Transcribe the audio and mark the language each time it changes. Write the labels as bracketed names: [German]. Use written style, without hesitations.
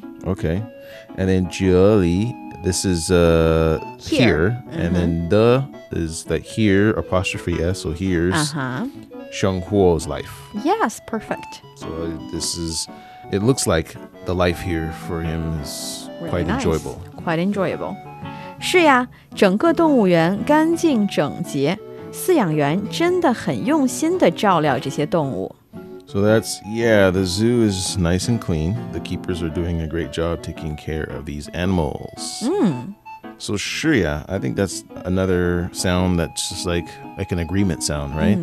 [English] Maybe? Okay. And then zhèlǐ, this is here. Mm-hmm. And then the is the here, apostrophe S, so here's. Shēnghuó is life. Yes, perfect. So this is, it looks like the life here for him is really quite nice. Enjoyable. Quite enjoyable. [Chinese] 是呀, 整个动物园 干净 整洁。饲养员真的很用心地照料这些动物。 [English] So that's, yeah, the zoo is nice and clean. The keepers are doing a great job taking care of these animals. Mm. So, shuìjiào, yeah, I think that's another sound that's just like an agreement sound, right?